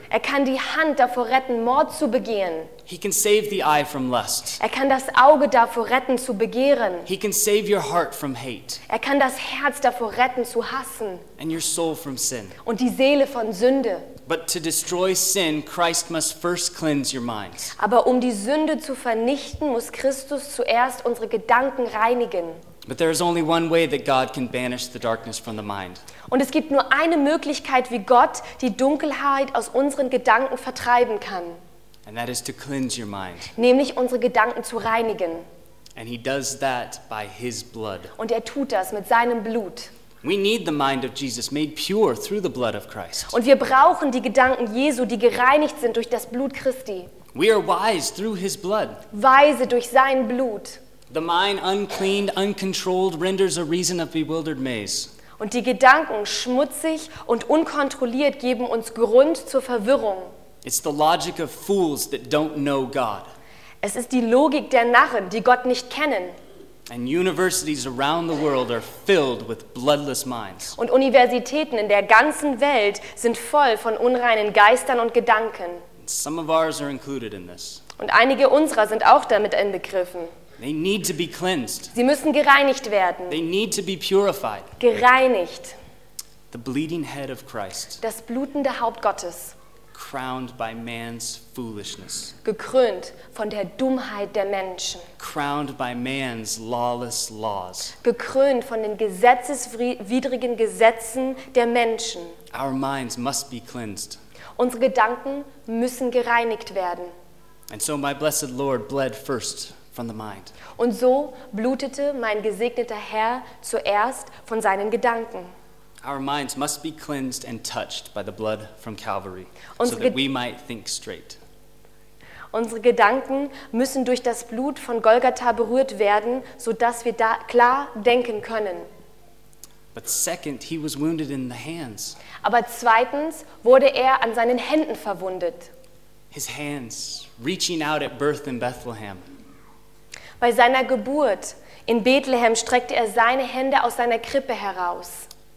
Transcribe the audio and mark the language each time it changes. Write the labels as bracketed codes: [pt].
[de] Er kann die Hand davor retten, Mord zu begehen. [en] He can save the eye from lust. [de] Er kann das Auge davor retten, zu begehren. [en] He can save your heart from hate. [de] Er kann das Herz davor retten, zu hassen. [en] And your soul from sin. [de] Und die Seele von Sünde. [en] But to destroy sin, Christ must first cleanse your minds. [de] Aber um die Sünde zu vernichten, muss Christus zuerst unsere Gedanken reinigen. [en] But there is only one way that God can banish the darkness from the mind. [de] Und es gibt nur eine Möglichkeit, wie Gott die Dunkelheit aus unseren Gedanken vertreiben kann. [en] And that is to cleanse your mind. [de] Nämlich unsere Gedanken zu reinigen. [en] And he does that by his blood. [de] Und er tut das mit seinem Blut. [en] We need the mind of Jesus made pure through the blood of Christ. [de] Und wir brauchen die Gedanken Jesu, die gereinigt sind durch das Blut Christi. [en] We are wise through his blood. [de] Weise durch sein Blut. [en] The mind uncleaned, uncontrolled renders a reason of bewildered maze. [de] Und die Gedanken schmutzig und unkontrolliert geben uns Grund zur Verwirrung. [en] It's the logic of fools that don't know God. [de] Es ist die Logik der Narren, die Gott nicht kennen. [en] And universities around the world are filled with bloodless minds. [de] Und Universitäten in der ganzen Welt sind voll von unreinen Geistern und Gedanken. [en] And some of ours are included in this. [de] Und einige unserer sind auch damit inbegriffen. [en] They need to be cleansed. [de] Sie müssen gereinigt werden. [en] They need to be purified. [de] Gereinigt. [en] The bleeding head of Christ. [de] Das blutende Haupt Gottes. [en] Crowned by man's foolishness. [de] Gekrönt von der Dummheit der Menschen. [en] Crowned by man's lawless laws. [de] Gekrönt von den gesetzeswidrigen Gesetzen der Menschen. [en] Our minds must be cleansed. [de] Unsere Gedanken müssen gereinigt werden. [en] And so my blessed Lord bled first. From the mind. [de] Und so blutete mein gesegneter Herr zuerst von seinen Gedanken. [en] Our minds must be cleansed and touched by the blood from Calvary, so that we might think straight. [de] Unsere Gedanken müssen durch das Blut von Golgatha berührt werden, so dass wir da klar denken können. [en] But second, he was wounded in the hands. [de] Aber zweitens wurde er an seinen Händen verwundet. [en] His hands reaching out at birth in Bethlehem. [de] Bei seiner Geburt in Bethlehem streckte er seine Hände aus seiner Krippe heraus.